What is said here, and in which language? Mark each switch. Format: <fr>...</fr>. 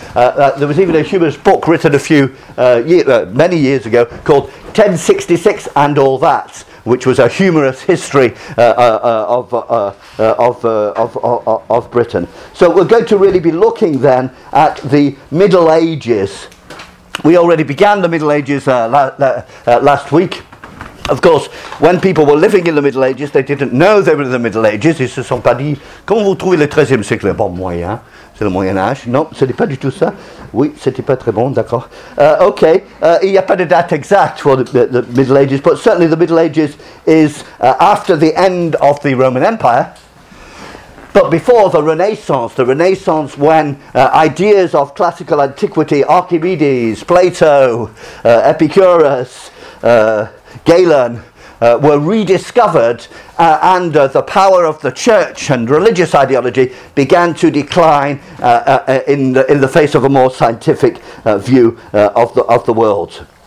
<en>There was even a humorous book written many years ago called 1066 and All That, which was a humorous history of Britain. So we're going to really be looking then at the Middle Ages. We already began the Middle Ages last week. Of course, when people were living in the Middle Ages, they didn't know they were in the Middle Ages.</en> <fr>Ils se sont pas dit, comment vous trouvez le 13e siècle? Bon, moyen. C'est le Moyen Âge. Non, ce n'est pas du tout ça. Oui, c'était pas très bon, d'accord. Il n'y a pas de date exacte</fr> <en>for the Middle Ages, but certainly the Middle Ages is after the end of the Roman Empire, but before the Renaissance. The Renaissance, when ideas of classical antiquity, Archimedes, Plato, Epicurus, Galen, were rediscovered, and the power of the church and religious ideology began to decline in the face of a more scientific view of the world.</en>